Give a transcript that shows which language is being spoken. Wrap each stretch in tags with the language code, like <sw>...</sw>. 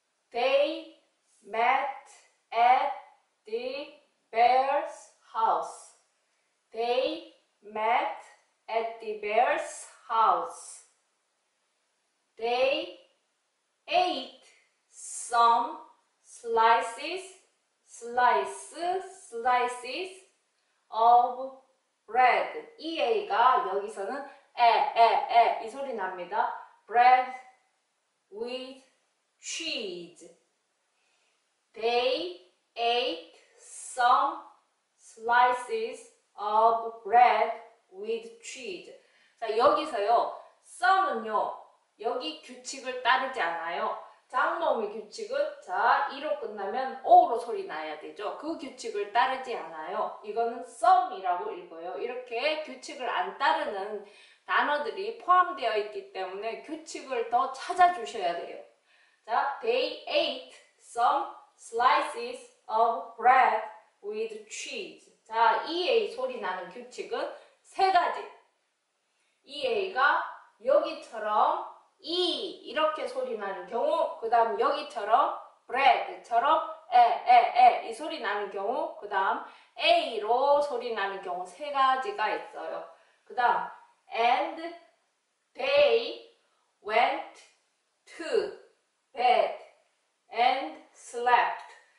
<en>They met at the bear's house. They met At the bear's house, they ate some slices of bread.</en> <ko>EA가 여기서는 에에에 이 소리 납니다.</ko> <en>Bread with cheese. They ate some slices of bread with cheese.</en> <ko>자, 여기서요, some은요, 여기 규칙을 따르지 않아요. 장모음의 규칙은, 자, 이로 끝나면 o로 소리 나야 되죠. 그 규칙을 따르지 않아요. 이거는 some이라고 읽어요. 이렇게 규칙을 안 따르는 단어들이 포함되어 있기 때문에 규칙을 더 찾아주셔야 돼요.</ko> <en>자, they ate some slices of bread with cheese.</en> <ko>자, EA 소리 나는 규칙은 세 가지. EA가 여기처럼 E 이렇게 소리 나는 경우, 그 다음 여기처럼 bread처럼 에에에 이 소리 나는 경우, 그 다음 A로 소리 나는 경우 세 가지가 있어요. 그 다음</ko> <en>And they went to bed and slept.</en>